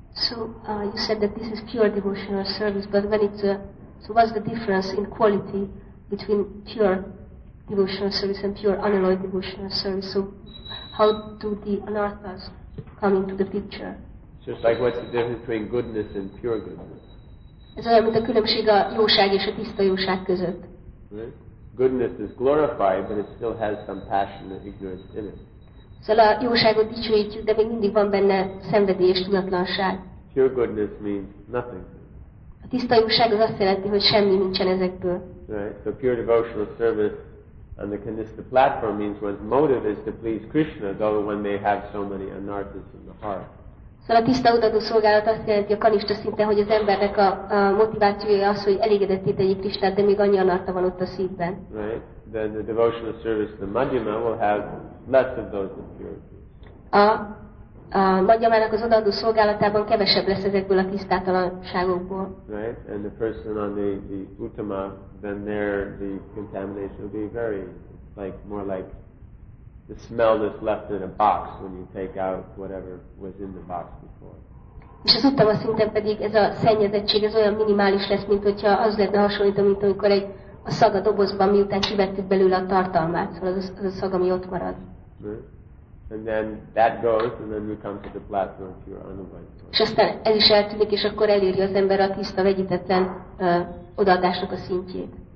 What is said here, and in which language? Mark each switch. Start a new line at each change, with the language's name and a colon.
English: You said that this is pure devotional service, but when it's so what's the difference in quality between pure devotional service and pure unalloyed devotional service? So how do the anarthas come into the picture? Well, It's just like what's the difference between goodness and pure goodness.
Hungarian: Ez olyan, mint a különbség a jóság és a tiszta jóság között.
English: Goodness is glorified, but it still has some passionate ignorance in it.
Hungarian: Szóval a jóságot dicsőítjük, de még mindig van benne szenvedély és tudatlanság.
English: Pure goodness means nothing.
Hungarian: A tiszta jóság az azt jelenti, hogy semmi nincsen ezekből.
English: Right. So pure devotional service on the Kanista platform means one's motive is to please Krishna, though one may have so many anarthas in the heart.
Hungarian: Szóval a tiszta odaadó szolgálat azt jelenti a kanista szinten, hogy az embernek a motivációja az, hogy elégedetté tegyék Krisztát, de még annyi anarta van ott a szívben.
English: Right. Then the devotional service, the madhyama, will have less of those impurities.
Hungarian: A madhyamának az odaadó szolgálatában kevesebb lesz ezekből a tisztátalanságokból.
English: Right. And the person on the uttama, then there the contamination will be very, like, more like the smell that's left in a box when you take out whatever was in the box before.
Hungarian: És az uttama szinten pedig ez a szennyezettség ez olyan minimális lesz, mint hogyha az lehetne hasonlítva, mint amikor egy a szag a dobozban, miután kivettük belőle a tartalmát, szóval az a szag, ami ott marad.
English: Right. And then that goes, and then you come to the platform if you're unavoidable.
Hungarian: És aztán ez is eltűnik, és akkor eléri az ember a tiszta, vegyítetlen odaadásnak a szintjét.